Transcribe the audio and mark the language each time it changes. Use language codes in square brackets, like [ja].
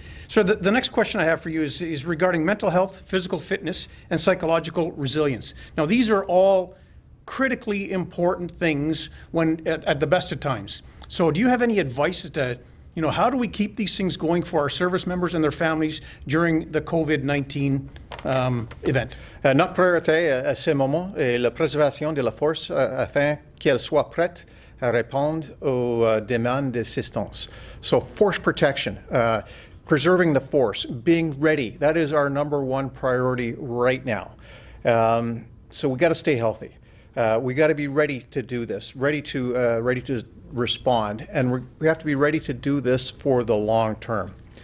[en] So the next question I have for you is regarding mental health, physical fitness, and psychological resilience. Now, these are all critically important things when at the best of times. So do you have any advice as to, you know, how do we keep these things going for our service members and their families during the COVID-19 event? [fr] Notre priorité à ce moment est la préservation de la force afin qu'elle soit prête à répondre aux demandes d'assistance. [en] So force protection. Preserving the force, being ready, that is our number one priority right now. So we gotta stay healthy. We gotta be ready to do this, ready to respond, and we have to be ready to do this for the long term.